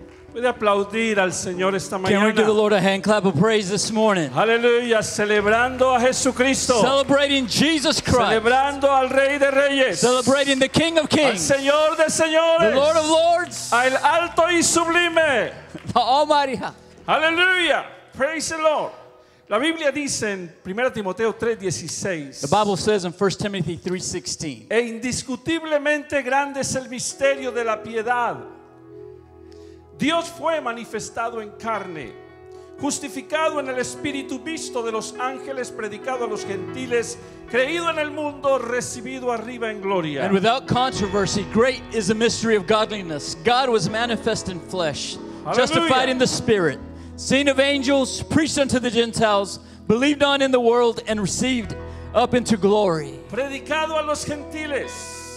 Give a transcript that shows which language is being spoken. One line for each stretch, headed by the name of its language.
Spanish: Puede aplaudir al Señor esta mañana.
English: Can we give the Lord a hand clap of praise this morning?
Spanish: Hallelujah. Celebrando a Jesucristo.
English: Celebrating Jesus Christ.
Spanish: Celebrando al Rey de Reyes.
English: Celebrating the King of Kings.
Spanish: Al Señor de Señores.
English: The Lord of Lords.
Spanish: Al Alto y Sublime.
English: The Almighty.
Spanish: Hallelujah.
English: Praise the Lord.
Spanish: La Biblia dice en 1 Timoteo 3:16.
English: The Bible says in 1 Timothy 3:16.
Spanish: E indiscutiblemente grande es el misterio de la piedad. Dios fue manifestado en carne, justificado en el Espíritu, visto de los ángeles, predicado a los gentiles, creído en el mundo, recibido arriba en gloria.
English: And without controversy, great is the mystery of godliness. God was manifest in flesh, justified in the Spirit, seen of angels, preached unto the Gentiles, believed on in the world, and received up into glory.
Spanish: Predicado a los gentiles.